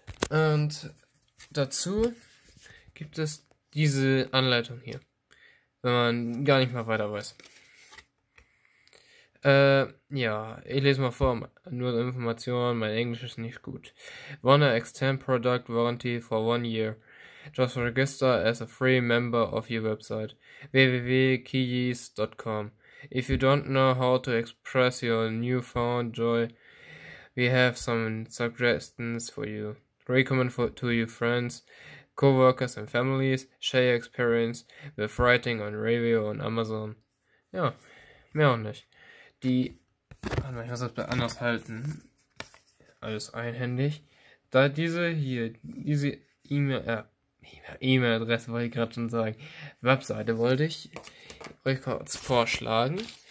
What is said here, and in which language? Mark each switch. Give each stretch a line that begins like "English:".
German: Und dazu gibt es diese Anleitung hier, wenn man gar nicht mal weiter weiß. Ja, ich lese mal vor, nur Informationen, mein Englisch ist nicht gut.
English: Wanna extend product warranty for 1 year? Just register as a free member of your website. www.keyes.com. If you don't know how to express your newfound joy, we have some suggestions for you. Recommend to your friends, co-workers and families, share experience with writing on radio on Amazon.
German: Ja, mehr auch nicht. Die, warte mal, ich muss das anders halten. Alles einhändig. Da diese hier, diese E-Mail-Adresse wollte ich gerade schon sagen. Webseite wollte ich euch kurz vorschlagen.